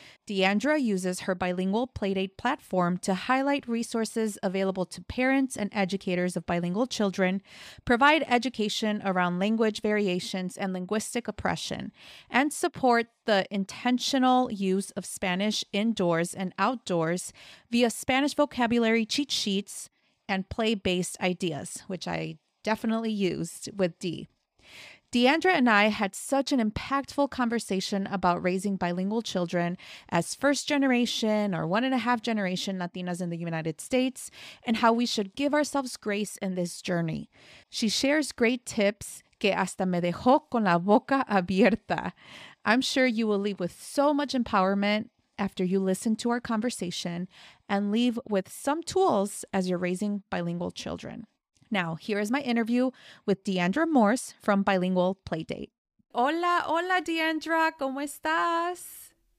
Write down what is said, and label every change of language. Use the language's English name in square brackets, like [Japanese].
[English] Diandra uses her Bilingual Playdate platform to highlight resources available to parents and educators of bilingual children, provide education around language variations and linguistic oppression, and support the intentional use of Spanish indoors and outdoors via Spanish vocabulary cheat sheets and play-based ideas, which I definitely used with D. Diandra and I had such an impactful conversation about raising bilingual children as first generation or one and a half generation Latinas in the United States and how we should give ourselves grace in this journey. She shares great tips [Spanish] que hasta me dejó con la boca abierta. [English] I'm sure you will leave with so much empowerment after you listen to our conversation and leave with some tools as you're raising bilingual children. Now, here is my interview with Diandra Morse from Bilingual Playdate. [Spanish] Hola, hola, Diandra. ¿Cómo estás?